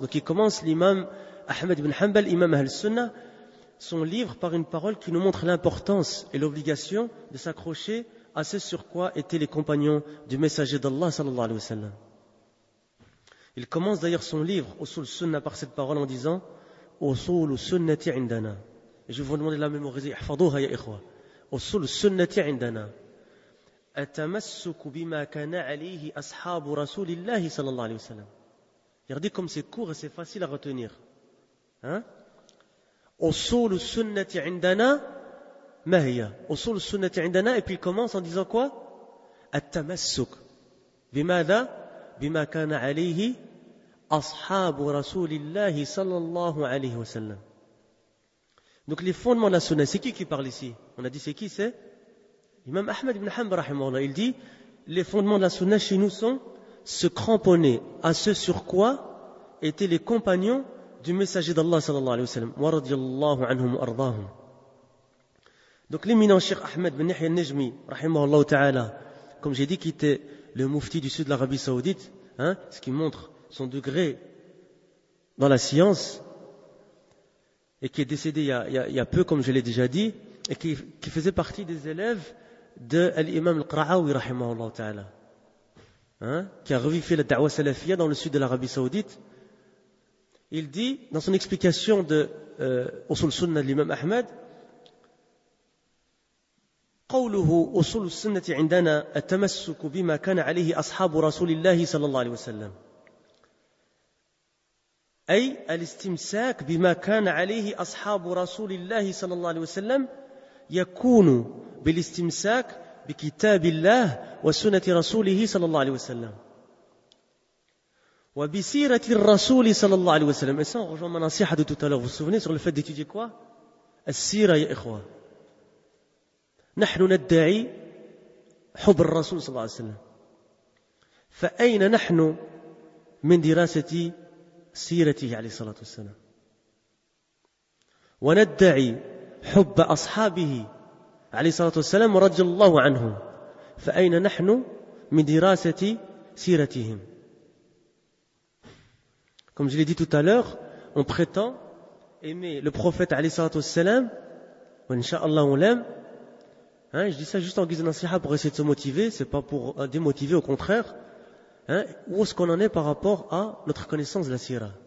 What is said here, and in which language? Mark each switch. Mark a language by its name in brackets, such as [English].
[French] Donc, il commence l'imam Ahmed ibn Hanbal, imam Ahl Sunnah, son livre par une parole qui nous montre l'importance et l'obligation de s'accrocher à ce sur quoi étaient les compagnons du messager d'Allah, sallallahu alayhi wa sallam. Il commence d'ailleurs son livre, Usul Sunnah, par cette parole en disant [Arabic] أصول السنة عندنا. [French] Je vous demande de la mémoriser. [Arabic] احفظوها يا إخوة. أصول السنة عندنا. التمسك بما كان عليه أصحاب رسول الله صلى الله عليه وسلم. يغدي كم سيكور سي فاسيل أغتنير. أصول السنة عندنا ما هي؟ أصول السنة عندنا [French] et puis il commence en disant quoi؟ [Arabic] التمسك بماذا؟ بما كان عليه أصحاب رسول الله صلى الله عليه وسلم. [French] Donc les fondements de la sunna, c'est qui parle ici? On a dit c'est qui? C'est Imam Ahmed ibn Hanbal rahimahullah. Il dit les fondements de la sunna chez nous sont se cramponner à ce sur quoi étaient les compagnons du messager d'Allah sallallahu alayhi wa sallam wa radiyallahu anhum wa ardahum. Donc l'éminent Cheikh Ahmed ibn Yahya al-Najmi rahimahullah ta'ala, comme j'ai dit qu'il était le mufti du sud de l'Arabie Saoudite, hein, ce qui montre son degré dans la science, et qui est décédé il y a peu, comme je l'ai déjà dit, et qui faisait partie des élèves de l'imam al-Qara'awi rahimahullah ta'ala, hein, qui a revivifié la da'wah salafia dans le sud de l'Arabie Saoudite. Il dit dans son explication de Usul Sunnah de l'imam Ahmed, [Arabic] قوله أصول السنة عندنا التمسك بما كان عليه أصحاب رسول الله صلى الله عليه وسلم أي الاستمساك بما كان عليه أصحاب رسول الله صلى الله عليه وسلم يكون بالاستمساك بكتاب الله وسنة رسوله صلى الله عليه وسلم وبسيرة الرسول صلى الله عليه وسلم. [French] Et ça, on rejoint ma nasiha de tout à l'heure. Vous vous souvenez sur le fait d'étudier quoi? [Arabic] السيرة يا إخوة. نحن ندعي حب الرسول صلى الله عليه وسلم فأين نحن من دراسة سيرته عليه الصلاة والسلام وندعي حب أصحابه عليه الصلاة والسلام ورضي الله عنهم فأين نحن من دراسة سيرتهم. [French] Comme je l'ai dit tout à l'heure, on prétend aimer le prophète [Arabic] عليه الصلاة والسلام وإن شاء الله ولم. [French] Hein, je dis ça juste en guise d'ansiha pour essayer de se motiver, c'est pas pour démotiver, au contraire. Hein, où est-ce qu'on en est par rapport à notre connaissance de la sira?